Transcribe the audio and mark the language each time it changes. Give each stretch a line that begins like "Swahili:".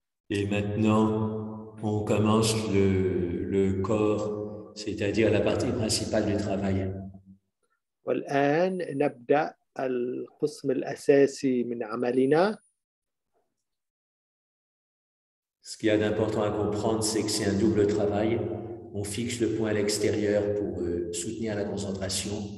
French: Et maintenant on commence le corps, c'est-à-dire la partie principale du travail.
Arabic: والآن نبدأ القسم الأساسي من عملنا.
French: Ce qu'il y a d'important à comprendre, c'est que c'est un double travail. On fixe le point à l'extérieur pour soutenir la concentration.